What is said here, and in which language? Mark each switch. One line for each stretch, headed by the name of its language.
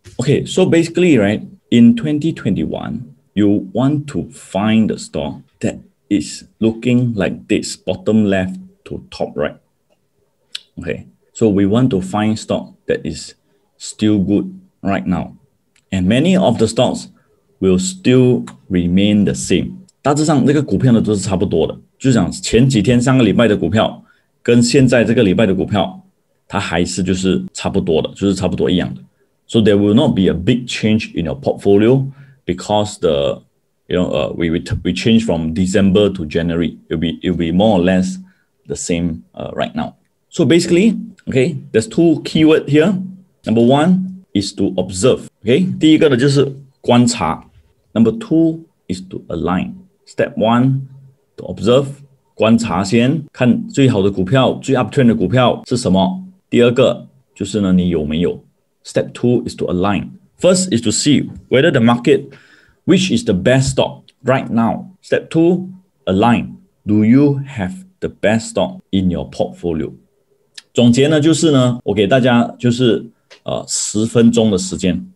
English: Okay, so basically, right, in 2021, you want to find the stock that is looking like this, bottom left to top right. Okay, so we want to find stock that is still good right now. And many of the stocks will still remain the same.
Chinese: 大致上那个股票呢都是差不多的，就像前几天上个礼拜的股票跟现在这个礼拜的股票它还是就是差不多的，就是差不多一样的。 So there will not be a big change in your portfolio because the, you know, we change from December to January. It'll be more or less the same right now.
English: So basically, okay, there's two keywords here. Number one,is to observe, okay?
Chinese: 第一个呢就是观察
English: Number two is to align step one, observe,
Chinese: 观察先，看最好的股票，最 uptrend 的股票是什么。第二个就是呢，你有没有。
English: Step two is to align. First is to see whether the market, which is the best stock right now. Step two, align. Do you have the best stock in your portfolio?
Chinese: 总结呢，就是呢，我给大家就是十分钟的时间。